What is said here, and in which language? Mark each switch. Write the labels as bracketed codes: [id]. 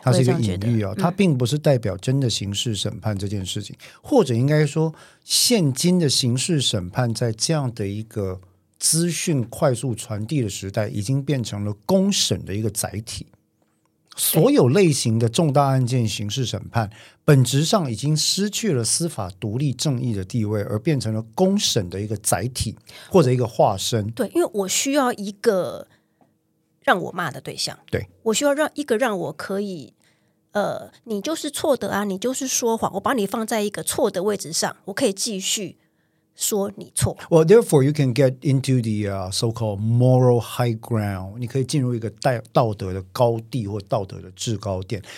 [zh] 它是一个隐喻、啊、它并不是代表真的刑事审判这件事情、或者应该说现今的刑事审判在这样的一个资讯快速传递的时代已经变成了公审的一个载体，所有类型的重大案件刑事审判本质上已经失去了司法独立正义的地位，而变成了公审的一个载体或者一个化身。对，因为我需要一个让我骂的对象，对，我需要让一个让我可以你就是错的啊，你就是说谎，我把你放在一个错的位置上，我可以继续说你错。 [en] Well, therefore you can get into the so-called moral high ground. [zh] 你可以进入一个道德的高地或道德的制高点。